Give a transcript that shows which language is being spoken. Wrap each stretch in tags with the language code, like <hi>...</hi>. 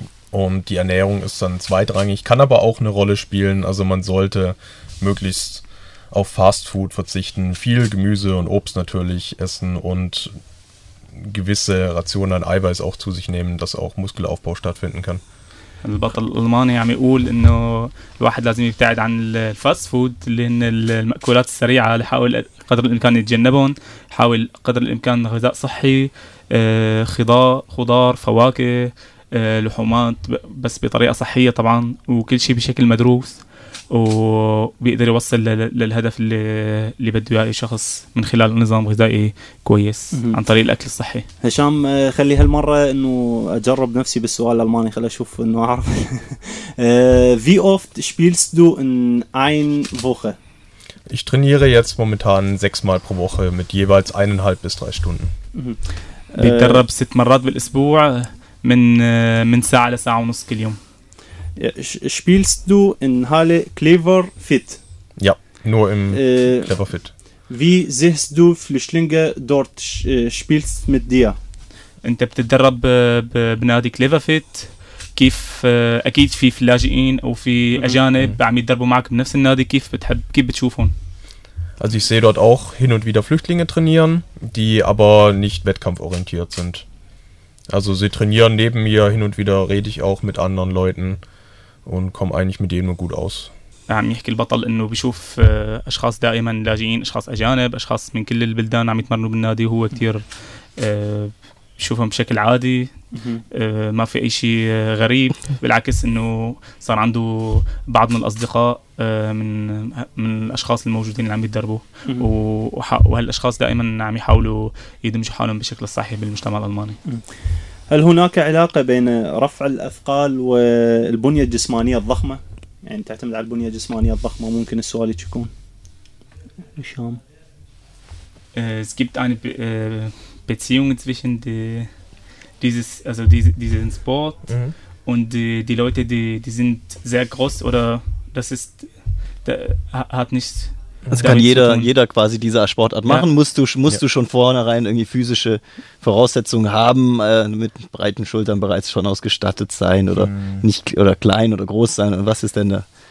<de>Und die Ernährung ist dann zweitrangig, kann aber auch eine Rolle spielen. Also man sollte möglichst auf Fastfood verzichten, viel Gemüse und Obst natürlich essen und gewisse Rationen an Eiweiß auch zu sich nehmen, dass auch Muskelaufbau stattfinden kann.</de> <ar>البطل الألماني عم يقول إنه الواحد لازم يبتعد عن الفاست فود اللي هن المأكولات السريعة اللي حاول قدر الإمكان يتجنبهم حاول قدر الإمكان غذاء صحي خضار فواكه لحومات بس بطريقة صحية طبعا وكل شيء بشكل مدروس وبيقدر يوصل للهدف اللي بده اياه شخص من خلال نظام غذائي كويس عن طريق الاكل الصحي. هشام، خلي هالمره انه اجرب نفسي بالسؤال الالماني، خلي اشوف انه اعرف.</ar> <de>Wie oft spielst du in einer Woche? Ich trainiere jetzt momentan 6-mal pro Woche mit jeweils 1,5 bis 3 Stunden.</de> <ar>بتدرب 6 مرات بالاسبوع من ساعه لساعه ونص كل يوم.</ar> <de>Spielst du in Halle Clever Fit? Ja, nur im Clever Fit. Wie siehst du Flüchtlinge dort? Spielst mit dir?</de> <ar>أنت بتدرب بنادي Clever Fit. كيف أكيد في لاجئين أو في أجانب عم يدربوا معك بنفس النادي، كيف بتحب كيف بتشوفهم؟</ar> <de>Also ich sehe dort auch hin und wieder Flüchtlinge trainieren, die aber nicht wettkampforientiert sind. Also sie trainieren neben mir, hin und wieder rede ich auch mit anderen Leuten und komme eigentlich mit denen nur gut aus.</de> <ar>عم يحكي البطل انه بيشوف اشخاص دائما لاجئين، اشخاص اجانب، اشخاص من كل البلدان عم يتمرنوا بالنادي، هو كثير بشوفهم بشكل عادي، ما في اي شيء غريب، بالعكس انه صار عنده بعض من الاصدقاء من الاشخاص الموجودين اللي عم يتدربوا وهالاشخاص دائما عم يحاولوا يدمجوا حالهم بشكل صحي بالمجتمع الالماني. هل هناك علاقه بين رفع الاثقال والبنيه الجسمانيه الضخمه؟ يعني تعتمد على البنيه الجسمانيه الضخمه ممكن السؤال يكون.</ar> <de>Es gibt eine Beziehungen zwischen diesen Sport und die Leute, die sind sehr groß oder das ist, da hat nichts. Das kann jeder quasi diese Sportart machen. Ja. Musst du schon vornherein irgendwie physische Voraussetzungen haben, mit breiten Schultern bereits schon ausgestattet sein oder nicht oder klein oder groß sein? Und was ist denn da?</de>